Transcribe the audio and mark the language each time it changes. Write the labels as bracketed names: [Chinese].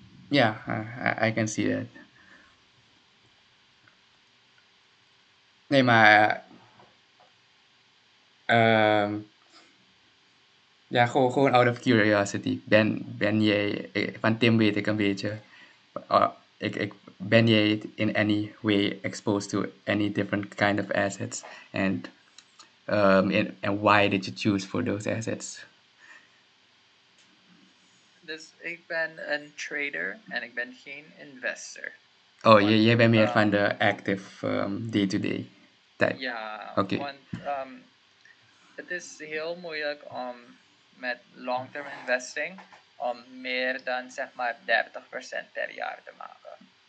[English] Ja, I can see that. [Dutch] Nee, maar gewoon [English] out of curiosity. [Dutch] Ben jij, van Tim weet ik een beetje, ik ben jij [English] in any way exposed to any different kind of assets, and why did you choose for those assets? [Dutch] Dus ik ben een trader en ik ben geen investor. Oh, want, jij bent meer van de [English] active day-to-day type. [Dutch] Ja, okay. Want het is heel moeilijk om met [English] long-term investing [Dutch] om meer dan zeg maar 30% per jaar te maken.